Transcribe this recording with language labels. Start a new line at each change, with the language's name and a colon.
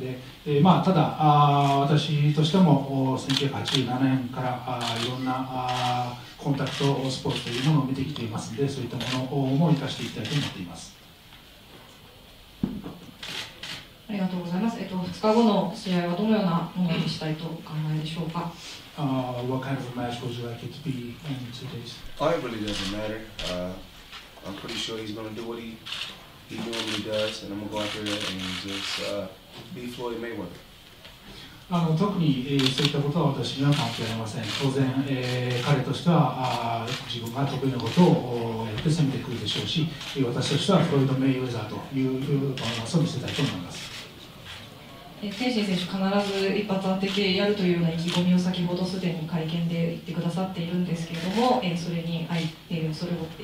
Japanese: で、ただ私としても1987年からいろんなコンタクトスポーツというものを見てきていますので、そういったものも生かしていきたいと思っています。ありがとうございます。2日後の試合はどのようなものにしたいとお考えでしょうか。
English: What kind of a match would you like it to be in 2 days? It really doesn't matter. I'm pretty sure he's going to do what he normally does, and I'm going to go out there and just be Floyd Mayweather.
Japanese: 特に、そういったことは私には関係ありません。当然、彼としては自分が得意なことを攻めてくるでしょうし、私としてはフロイド・メイウェザーというパフォーマンスを見せたいと思います。天心選手、必ず一発当ててやるというような意気込みを先ほどすでに会見で言ってくださっているんですけれども、それに相手それを、